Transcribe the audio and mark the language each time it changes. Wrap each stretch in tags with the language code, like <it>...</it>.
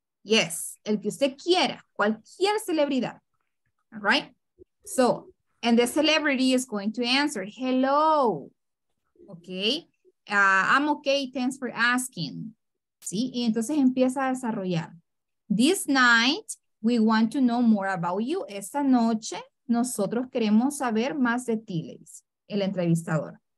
<es>Yes, el que usted quiera, cualquier celebridad,</es> <en>all right? So, and the celebrity is going to answer, hello, okay? I'm okay, thanks for asking. ¿Sí?</en> <es>Y entonces empieza a desarrollar.</es> <en>This night, we want to know more about you.</en> <es>Esta noche, nosotros queremos saber más de ti, el entrevistador.</es>